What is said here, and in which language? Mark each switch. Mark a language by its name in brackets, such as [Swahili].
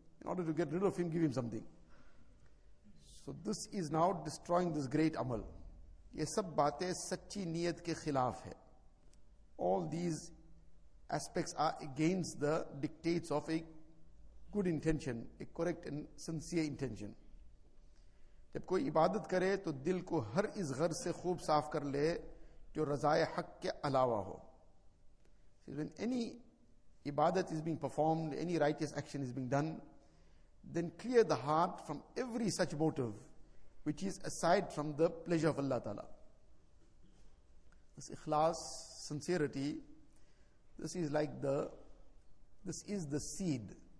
[English] In order to get rid of him, give him something. So this is now destroying this great amal. [Urdu] Ye sab baatein sachi niyat ke khilaf hai. [English] All these aspects are against the dictates of a good intention, a correct and sincere intention. [Urdu] جب کوئی عبادت کرے تو دل کو ہر اس غرض سے خوب صاف کر لے جو رضائے حق کے علاوہ ہو. [English] When any عبادت is being performed, any righteous action is being done, then clear the heart from every such motive which is aside from the pleasure of Allah Ta'ala. This ikhlas, sincerity, this is the seed.